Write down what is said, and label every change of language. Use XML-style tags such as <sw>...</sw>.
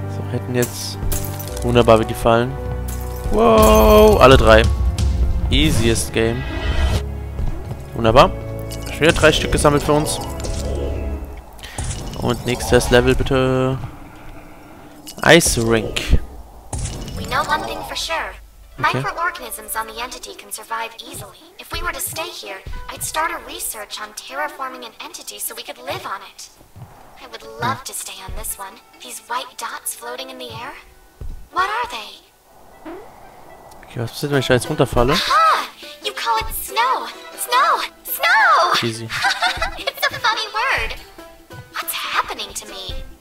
<de>Hätten jetzt wunderbar wie die fallen. Wow, alle drei. Easiest game. Wunderbar. Schon wieder drei Stück gesammelt für uns. Und nächstes Level bitte.</de> <en>Ice Rink. We know one thing for sure. Microorganisms on the entity can survive easily. If we were to stay here, I'd start a research on terraforming an entity so we could live on it. I would love to stay on this one. These white dots floating in the air? What are they?</en> <de>Okay, was passiert, wenn ich jetzt runterfalle?</de> <en>You call it snow! Snow! Snow! Easy. It's a funny word! What's happening to me?</en>